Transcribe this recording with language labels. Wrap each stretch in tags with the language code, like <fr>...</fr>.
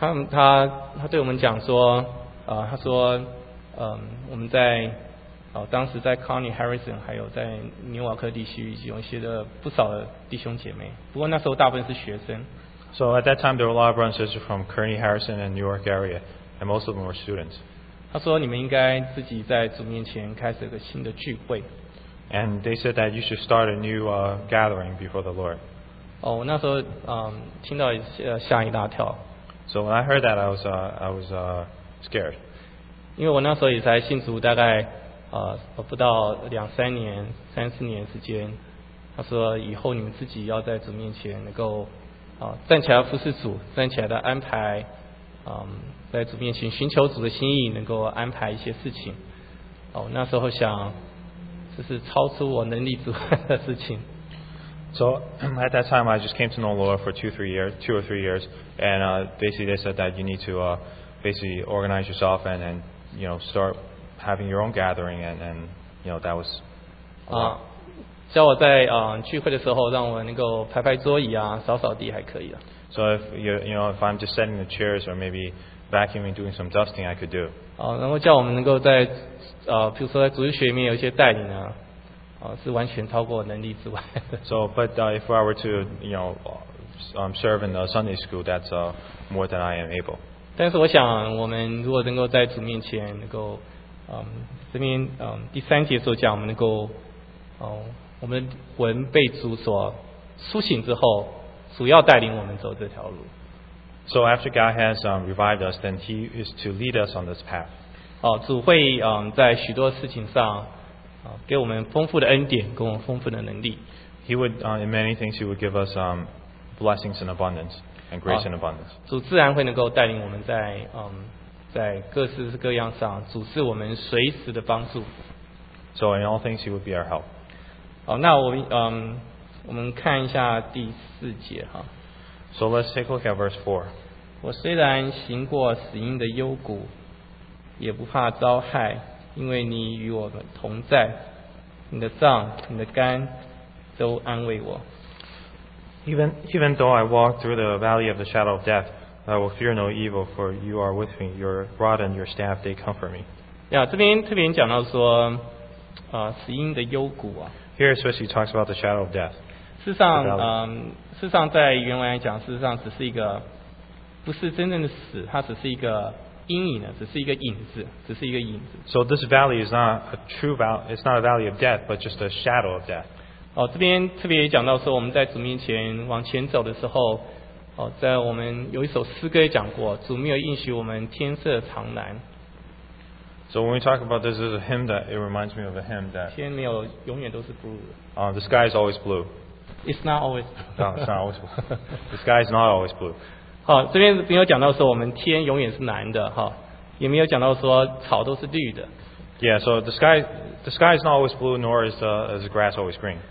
<zh>他对我们讲说，他说，我们在当时在 Connie Harrison 还有在纽瓦克地区已经有一些的不少的弟兄姐妹，不过那时候大部分是学生。</zh> <en>So at that time, there were a lot of brothers and sisters from Kearney, Harrison, and New York area, and most of them were students.</en> <zh>他说你们应该自己在主面前开始一个新的聚会。</zh> <en>And they said that you should start a new gathering before the Lord.</en> <zh>哦，那时候听到吓一大跳。</zh> <en>So when I heard that, I was scared.</en> <zh>因为我那时候也才信主大概不到两三年、三四年时间。他说以后你们自己要在主面前能够站起来服侍主，站起来的安排，在主面前寻求主的心意，能够安排一些事情。哦，那时候想，这是超出我能力之外的事情。</zh> <en>So at that time, I just came to know the Lord for two or three years, and basically they said that you need to basically organize yourself and you know start having your own gathering and you know that was.</en> <zh>叫我在聚会的时候，让我能够排排桌椅啊，扫扫地还可以了。</zh> <en>So if if I'm just setting the chairs or maybe vacuuming, doing some dusting, I could do.</en> <zh>然后叫我们能够在比如说在主日学里面有一些带领啊，是完全超过能力之外的。</zh> <en>So, but if I were to serve in the Sunday school, that's more than I am able.</en> <zh>但是我想，我们如果能够在主面前能够这边第三节所讲，我们能够我们魂被主所苏醒之后，主要带领我们走这条路。</zh> <en>So after God has revived us, then He is to lead us on this path.</en> <zh>哦，主会在许多事情上给我们丰富的恩典，给我们丰富的能力。</zh> <en>He would in many things He would give us blessings in abundance and grace in abundance.</en> <zh>主自然会能够带领我们在在各式各样上，主是我们随时的帮助。</zh> <en>So in all things He would be our help.</en> <zh>好，那我们看一下第四节哈。</zh> <en>So let's take a look at verse 4.</en> <zh>我虽然行过死荫的幽谷，也不怕遭害，因为你与我们同在，你的杖、你的竿都安慰我。</zh> <en>Even though I walk through the valley of the shadow of death, I will fear no evil, for you are with me. Your rod and your staff, they comfort me.</en> <zh>这边特别讲到说，死荫的幽谷啊。</zh> <en>Here especially talks about the shadow of death.</en> <zh>事实上在原文来讲，事实上只是一个，不是真正的死，它只是一个阴影的，只是一个影子，只是一个影子。</zh> <en>So this valley is not a true valley. It's not a valley of death, but just a shadow of death.</en> <zh>这边特别讲到说，我们在主面前往前走的时候，在我们有一首诗歌也讲过，主没有应许我们天色长蓝。</zh> <en>So when we talk about this, there's a hymn that it reminds me of a hymn that</en> <zh>天没有永远都是 blue 的。</zh> <en>The sky is always blue. It's not always. No, it's not always blue. The sky is not always blue.</en> <zh>好，这边没有讲到说我们天永远是蓝的哈，也没有讲到说草都是绿的。</zh> <en>Yeah, so the sky is not always blue, nor is the grass always green.</en>